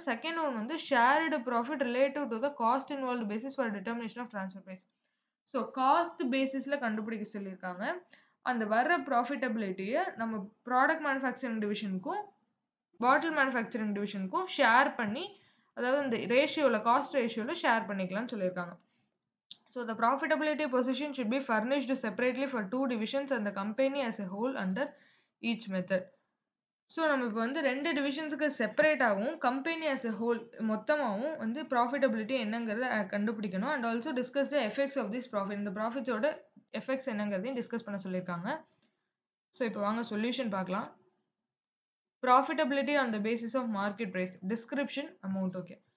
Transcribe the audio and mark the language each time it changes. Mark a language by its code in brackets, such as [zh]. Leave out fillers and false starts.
[en] Second one வந்து shared profit relative to the cost involve basis for determination of transfer price. [ta] So cost பேசிஸில் கண்டுபிடிக்க சொல்லியிருக்காங்க. அந்த வர்ற ப்ராஃபிட்டபிலிட்டியை நம்ம ப்ராடக்ட் மேனுஃபேக்சரிங் டிவிஷனுக்கும் பாட்டில் மேனுஃபேக்சரிங் டிவிஷனுக்கும் ஷேர் பண்ணி அதாவது அந்த ரேஷியோவில் காஸ்ட் ரேஷியோவில் ஷேர் பண்ணிக்கலாம்னு சொல்லியிருக்காங்க. [en] So the profitability position should be furnished separately for two divisions and the company as a whole under each method. [ta] So நம்ம இப்போ வந்து ரெண்டு டிவிஷன்ஸுக்கு செப்பரேட்டாகவும் [en] company as a whole [ta] மொத்தமாகவும் வந்து ப்ராஃபிட்டபிலிட்டி என்னங்கிறத கண்டுபிடிக்கணும் [en] and also discuss the effects of this profit [ta] இந்த ப்ராஃபிட்ஸோட effects என்னங்கிறதையும் discuss பண்ண சொல்லியிருக்காங்க. ஸோ இப்போ வாங்க சொல்யூஷன் பார்க்கலாம். [en] Profitability on the basis of market price description amount okay.